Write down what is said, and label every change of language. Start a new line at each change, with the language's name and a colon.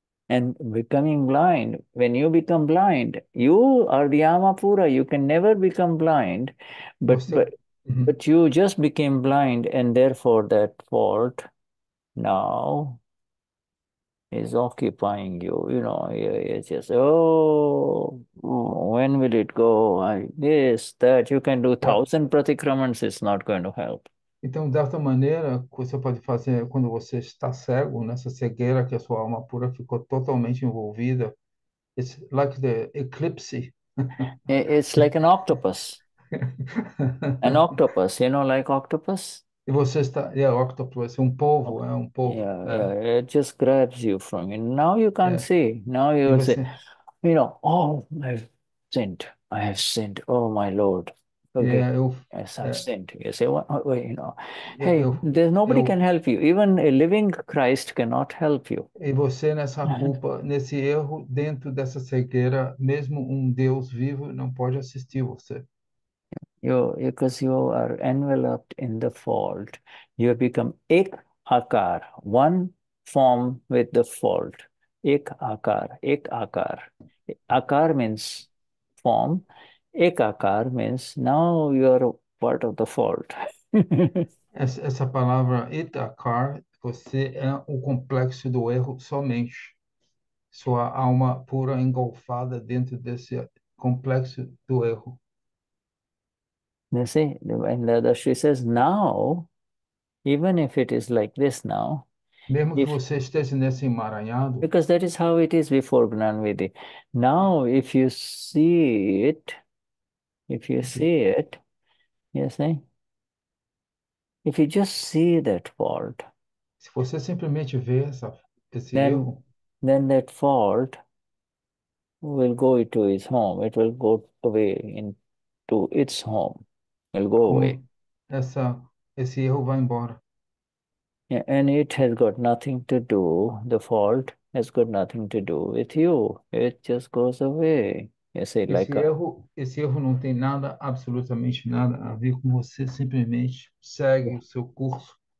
English: And becoming blind, when you become blind, you are the Amapura, you can never become blind, but you just became blind and therefore that fault now is occupying you. You know, it's just, when will it go? This, that, you can do 1,000 pratikramns, it's not going to help.
Portuguese: Então, dessa maneira, você pode fazer quando você está cego, nessa cegueira que a sua alma pura ficou totalmente envolvida.
English: It's like the eclipse. It's like an octopus. An octopus, you know, like octopus?
Portuguese: E você está...
English: Yeah, octopus,
Portuguese: um polvo, é um polvo.
English: Yeah, yeah, it just grabs you from you. Now you can't see. Now you
Portuguese: você...
English: say, you know, oh, I've sinned. I have sinned. Oh, my Lord. Okay.
Portuguese: Yeah, eu,
English: yes, I've sinned. You say, well, you know, hey, there's nobody can help you. Even a living Christ cannot help you.
Portuguese: E você nessa culpa, nesse erro, dentro dessa cegueira, mesmo Deus vivo não pode assistir você.
English: Because you are enveloped in the fault, you have become ek akar, one form with the fault. Ek akar, ek akar. Akar means form. Ekakar means now you are part of the fault.
Portuguese: Essa palavra itakar, você é o complexo do erro somente. Sua alma pura engolfada dentro desse complexo do erro.
English: You see, when Dadashri says now, even if it is like this now,
Portuguese: mesmo que você esteja nesse emaranhado,
English: because that is how it is before Gnanvidhi. Now, if you see it, if you see it, you see? If you just see that fault,
Portuguese: se você simplesmente vê esse erro,
English: then that fault will go to its home. It will go away into its home. It will go away.
Portuguese: Esse erro vai embora.
English: Yeah, and it has got nothing to do, the fault has got nothing to do with you. It just goes away.
Portuguese: Esse erro não tem nada, absolutamente nada, a ver com você, simplesmente segue o seu curso.